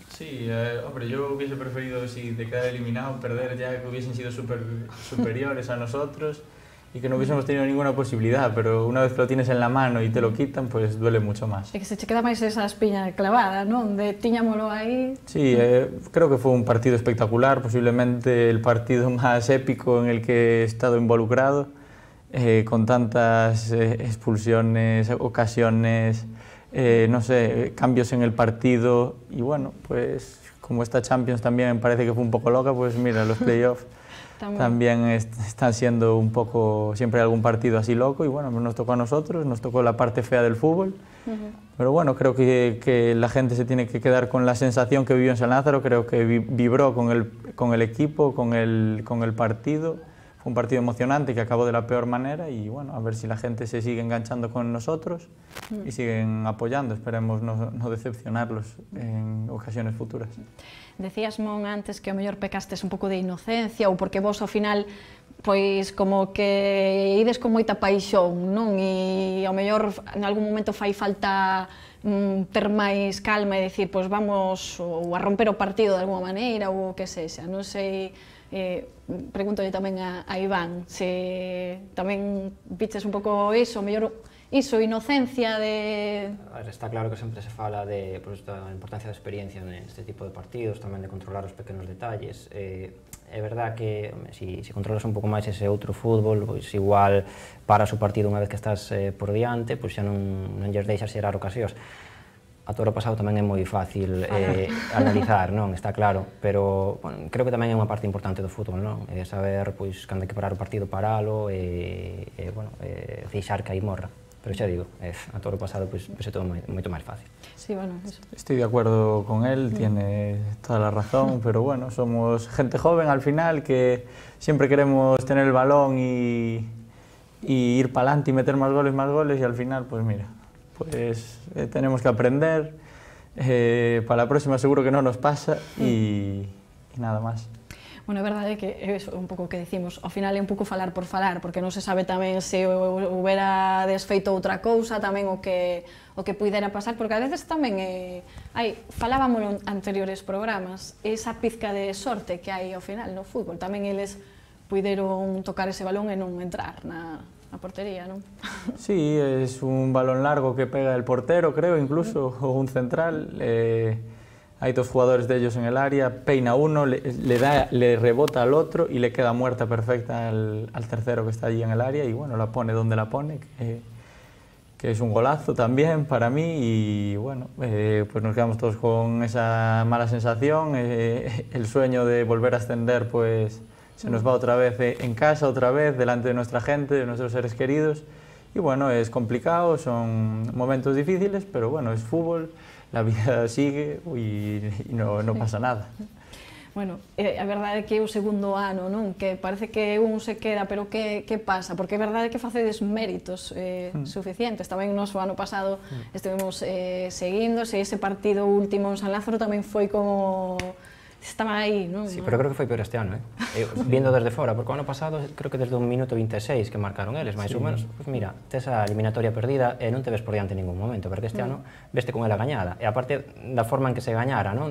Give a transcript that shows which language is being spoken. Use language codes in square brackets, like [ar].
[es] Sí, hombre, yo hubiese preferido, si te quedara eliminado, perder ya que hubiesen sido superiores a nosotros, e que non hubiésemos tenido ninguna posibilidad, pero [gl] unha vez que [es] lo tienes en la mano e te lo quitan, pues duele mucho más. [gl] E que se che queda máis esa espiña clavada, non? De tiñámolo aí... [es] Sí, creo que [gl] foi un partido espectacular, [es] posiblemente el partido máis épico en el que he estado involucrado, con tantas expulsiones, ocasiones, non sé, cambios en el partido, e bueno, pues como esta Champions tamén parece que foi un pouco loca, pues mira, los playoffs... También están siendo un poco, siempre hay algún partido así loco y bueno, nos tocó a nosotros, nos tocó la parte fea del fútbol. Pero bueno, creo que la gente se tiene que quedar con la sensación que vivió en San Lázaro, creo que vibró con el equipo, con el partido. un partido emocionante que acabó de la peor manera y bueno, a ver si la gente se sigue enganchando con nosotros y siguen apoyando. Esperemos no decepcionarlos en ocasiones futuras. [gl] Decías, Mon, antes que o mellor pecastes un pouco de inocencia ou porque vos ao final pois como que ides con moita paixón, non? E ao mellor en algún momento fai falta ter máis calma e decir, pois vamos ou a romper o partido de alguma maneira ou o que sexa. Non sei, pregúntolle tamén a Iván se tamén viches un pouco iso, ao mellor iso, inocencia de... A ver, está claro que sempre se fala de pues, da importancia da experiencia neste tipo de partidos, tamén de controlar os pequenos detalles. É verdad que si controlas un pouco máis ese outro fútbol, pues, igual paras o partido unha vez que estás por diante, pues, xa non lles deixas xerar ocasións. A toro pasado tamén é moi fácil analizar, non? Está claro, pero bueno, creo que tamén é unha parte importante do fútbol, non? É saber pois, cando hai que parar o partido, paralo e deixar que aí morra. Pero xa digo, a toro pasado pois é todo moito máis fácil. [es] Sí, bueno, eso. Estoy de acuerdo con él, tiene toda la razón, pero bueno, somos gente joven al final que siempre queremos tener el balón y ir pa'lante y meter más goles y al final, pues mira, pues tenemos que aprender, para la próxima seguro que no nos pasa y nada más. [gl] Bueno, é verdade que é un pouco o que decimos, ao final é un pouco falar por falar, porque non se sabe tamén se houbera desfeito outra cousa, tamén o que puidera pasar, porque a veces tamén, falábamos en anteriores programas, esa pizca de sorte que hai ao final no fútbol, tamén eles puideron tocar ese balón e non entrar na portería, non? [es] Sí, é un balón largo que pega el portero, creo, incluso, ou un central, hai dos jugadores deles en el área, peina uno, le rebota al otro e le queda muerta perfecta al tercero que está allí en el área e, bueno, la pone donde la pone, que é un golazo tamén para mí e, bueno, pues nos quedamos todos con esa mala sensación, el sueño de volver a ascender, pues, se nos va [gl] outra vez en casa, outra vez, [es] delante de nuestra gente, de nuestros seres queridos e, bueno, [gl] é complicado, son momentos difíciles, [es] pero, bueno, é fútbol. La vida sigue y no pasa nada. [gl] Bueno, a verdade é que é o segundo ano, non? Que parece que un se queda, pero que pasa? Porque a verdade é que facedes méritos suficientes. Tamén nos o ano pasado estivemos seguindo, se ese partido último en San Lázaro tamén foi como... Estaba aí, non? Sí, pero creo que foi peor este ano, [es] viendo desde [gl] fora, porque o ano pasado creo que desde un minuto 26 que marcaron eles, máis ou menos, pues mira, tes a eliminatoria perdida e non te ves por diante en ningún momento, porque este ano veste con ela gañada, e aparte da forma en que se gañara, non?